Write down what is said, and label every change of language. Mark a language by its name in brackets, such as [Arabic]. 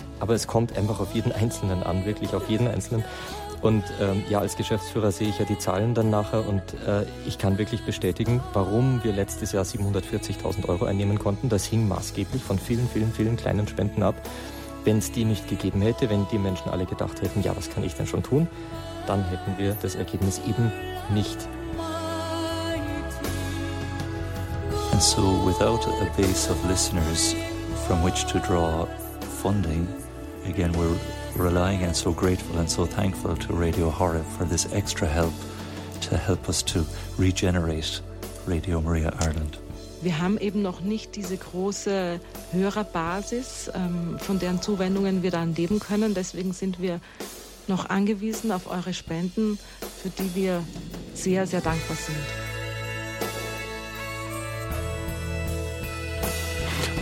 [German] Aber es kommt einfach auf jeden Einzelnen an, wirklich auf jeden Einzelnen. Und ja, als Geschäftsführer sehe ich ja die Zahlen dann nachher und ich kann wirklich bestätigen, warum wir letztes Jahr 740.000 Euro einnehmen konnten. Das hing maßgeblich von vielen, vielen, vielen kleinen Spenden ab. Wenn es die nicht gegeben hätte, wenn die Menschen alle gedacht hätten, ja, was kann ich denn schon tun, dann hätten wir das Ergebnis eben nicht. [English] And so without a base of listeners from which to draw funding, again, we're relying and so grateful and so thankful to Radio Horeb for this extra help to help us to regenerate Radio Maria Ireland. [German] Wir haben eben noch nicht diese große Hörerbasis, von deren Zuwendungen wir dann leben können. Deswegen sind wir noch angewiesen auf eure Spenden, für die wir sehr, sehr dankbar sind.